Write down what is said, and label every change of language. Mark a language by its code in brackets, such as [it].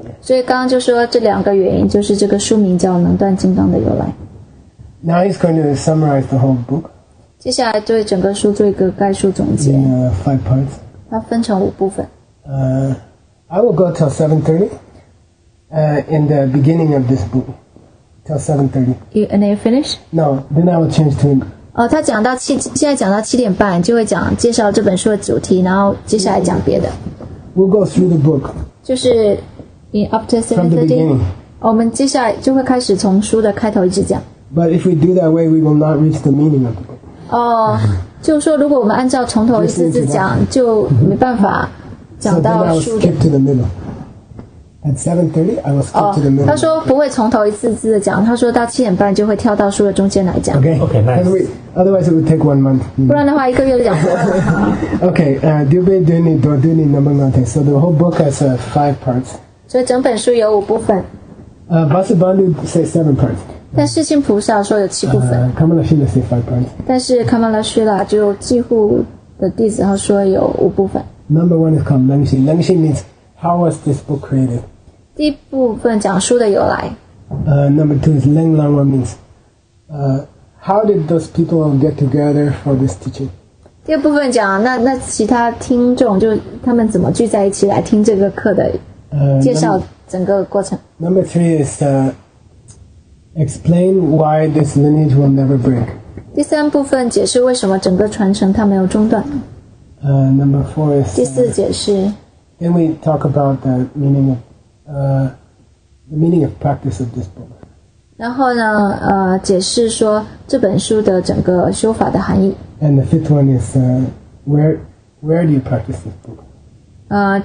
[zh] 所以刚刚就说这两个原因就是这个书名叫能断金刚的由来 [en] Now he's going to summarize the whole book [zh] 接下来对整个书做一个概述总结 [en] in five parts [zh] 它分成五部分 [en] I will go till 7:30in the beginning of this book, till 7:30. You, and then you finish? No, then I will change to him. [zh] 他讲到现在讲到七点半，就会讲介绍这本书的主题，然后接下来讲别的。 [en] We'll go through the book. [zh] 就是 [en] in up to 7:30. From the beginning. [zh] 我们接下来就会开始从书的开头一直讲。 [en] But if we do that way, we will not reach the meaning of the book. [zh] 就是说如果我们按照从头一次次讲，就没办法讲到书的。 [en] So then I'll skip to the middle. At 7:30, I will skip to the middle. [zh] 他说不会从头一次次的讲。他说到七点半就会跳到书的中间来讲。 [en] Okay, okay, nice. Otherwise, it would take 1 month.、 [zh] 不然的话，一个月就讲不完。 Okay, Dubi Duni Do Duni Number Mountain. [en] So the whole book has five parts. [zh] 所以整本书有五部分。 [en] Vasubandhu say 7 parts. [zh] 但世亲菩萨说有七部分。 [en] Kamalashila say 5 parts. [zh] 但是 Kamalashila 就几乎的弟子他说有五部分。 [en] Number one is called Lengxi. Lengxi means. How was this book created? [zh] 第一部分讲书的由来。 [en] Number two is Leng Lang Wan means, how did those people get together for this teaching? [zh] 第二部分讲那其他听众就他们怎么聚在一起来听这个课的介绍整个过程。 [en] Number three is, explain why this lineage will never break. [zh] 第三部分解释为什么整个传承它没有中断。 [en] Number four is, [zh] 第四解释。 [en] Then we talk about the meaning of practice of this book. [zh] 然后呢，解释说这本书的整个修法的含义。 [en] And the fifth one is where do you practice this book?